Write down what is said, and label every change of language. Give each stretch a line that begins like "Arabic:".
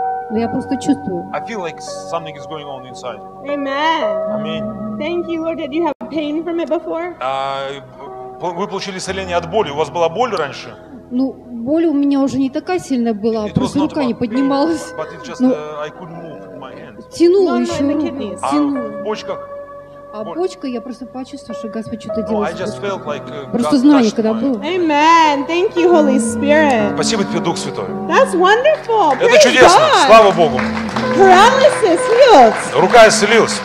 Russian: Но я просто чувствую.
English: I feel like something is going on inside. Amen. Amen. Thank you, Lord. Did you have pain from it before?
Russian: Вы получили исцеление от боли. У вас была боль раньше? Ну, боль у меня уже не такая сильная была,
English: it
Russian: просто рука не поднималась.
English: But it just, I couldn't move my hand.
Russian: Тянула еще руку. Тянула. А в почках? А почка, я просто почувствовала, что Господь что-то делает.
English: I just felt like
Russian: просто знание, когда было.
English: Amen. Thank you, Holy Spirit.
Russian: Спасибо тебе, Дух Святой.
English: That's wonderful.
Russian: Это чудесно. Слава Богу.
English: paralysis healed.
Russian: Рука исцелилась.